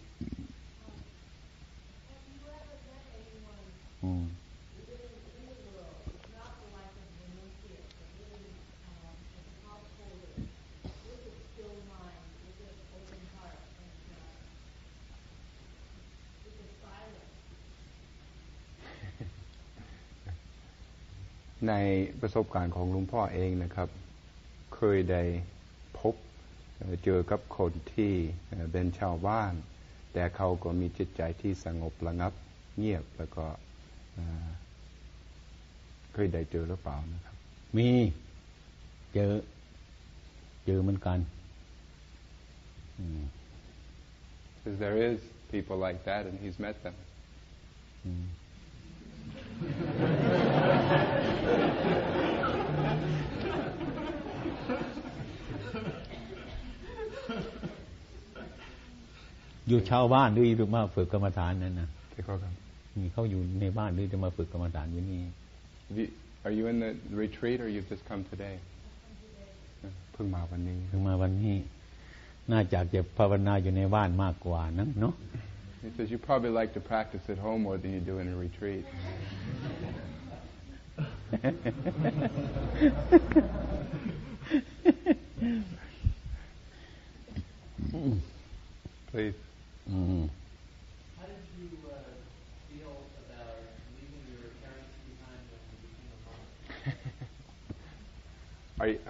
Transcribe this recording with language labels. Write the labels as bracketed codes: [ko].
[en] Have you ever met anyone living in the world, not the life of the monkeys, but living as a top holder, with a still mind, with an open heart, and with a silence, [th] ในประสบการณ์ของหลวงพ่อเองนะครับเคยได้พบเจอกับคนที่เป็นชาวบ้านแต่เขาก็มีจิตใจที่สงบระงับเงียบแล้วก็เคยได้เจอหรือเปล่านะครับ มีเจอเหมือนกัน [en] Because there is people like that and he's met them [th] อยู่ชาวบ้านด้วยหรือมาฝึกกรรมฐานนั่นนะ ใช่ครับ มีเขาอยู่ในบ้านด้วยจะมาฝึกกรรมฐานอยู่นี่ [en] Are you in the retreat or you've just come today [th] เพิ่งมาวันนี้ เพิ่งมาวันนี้น่าจะจะภาวนาอยู่ในบ้านมากกว่านั้นเนาะ [en] He says you probably like to practice at home more than you do in a retreat Please How did you feel about leaving your parents behind when you became a monk?